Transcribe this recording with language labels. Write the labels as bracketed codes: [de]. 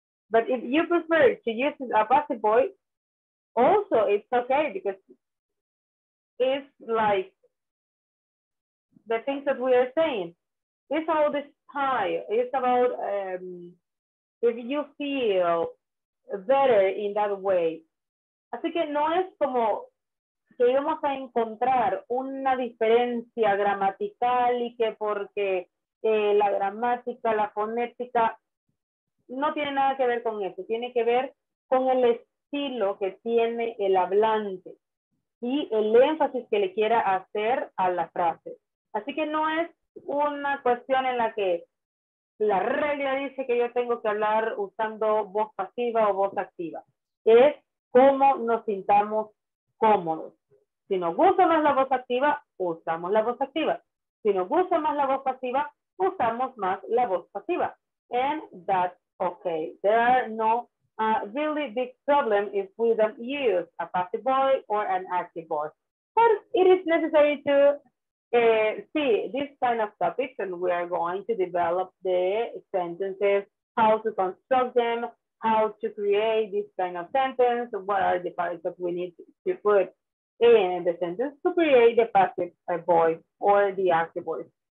[en] But if you prefer to use a passive voice, also it's okay because it's like the things that we are saying. It's all the style. It's about if you feel better in that way. [es] Así que no es como que vamos a encontrar una diferencia gramatical y que porque la gramática, la fonética, no tiene nada que ver con eso. Tiene que ver con el estilo que tiene el hablante y el énfasis que le quiera hacer a la frase. Así que no es una cuestión en la que la regla dice que yo tengo que hablar usando voz pasiva o voz activa. Es cómo nos sintamos cómodos. Si nos gusta más la voz activa, usamos la voz activa. Si nos gusta más la voz pasiva, usamos más la voz pasiva. [en] And that's okay. There are no really big problem if we don't use a passive voice or an active voice. But it is necessary to see this kind of topics, and we are going to develop the sentences, how to construct them, how to create this kind of sentence, what are the parts that we need to put in the sentence to create the passive voice or the active voice.